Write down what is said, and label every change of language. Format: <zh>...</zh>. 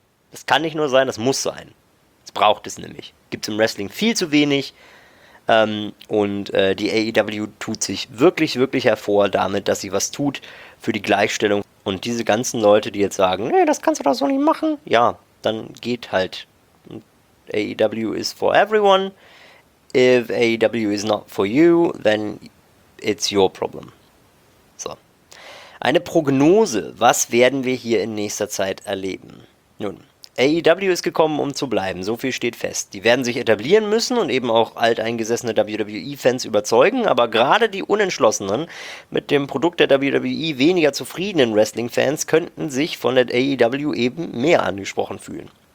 <de>Das kann nicht nur sein, das muss sein. Es braucht es nämlich. Gibt es im Wrestling viel zu wenig die AEW tut sich wirklich, wirklich hervor damit, dass sie was tut für die Gleichstellung. Und diese ganzen Leute, die jetzt sagen, nee, das kannst du doch so nicht machen, ja, dann geht halt.</de> <en>AEW is for everyone. If AEW is not for you, then it's your problem. So.</en> <de>Eine Prognose, was werden wir hier in nächster Zeit erleben? Nun, AEW ist gekommen, um zu bleiben, so viel steht fest. Die werden sich etablieren müssen und eben auch alteingesessene WWE-Fans überzeugen, aber gerade die unentschlossenen, mit dem Produkt der WWE weniger zufriedenen Wrestling-Fans könnten sich von der AEW eben mehr angesprochen fühlen.</de>